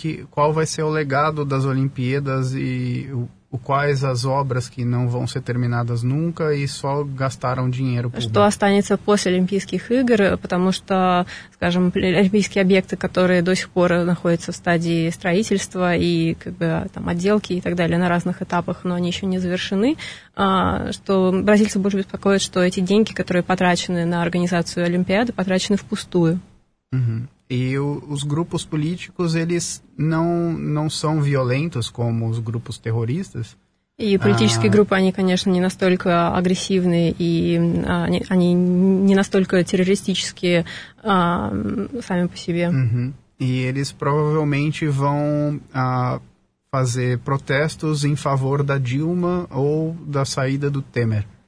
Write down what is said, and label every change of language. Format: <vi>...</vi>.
<pt>Qual vai ser o legado das Olimpíadas e... quais as obras que não vão ser terminadas nunca e só gastaram dinheiro público.</pt> <ru>Что останется после Олимпийских игр, потому что, скажем, олимпийские объекты, которые до сих пор находятся в стадии строительства и как бы там отделки и так далее на разных этапах, но они еще не завершены, что бразильцы больше беспокоят, что эти деньги, которые потрачены на организацию Олимпиады, потрачены впустую.</ru> <pt>E os grupos políticos, eles não são violentos como os grupos terroristas? E os políticos,</pt> <ru>они, конечно, не настолько агрессивные и они не настолько террористические сами по себе.</ru> <pt>E eles provavelmente vão fazer protestos em favor da Dilma ou da saída do Temer.</pt>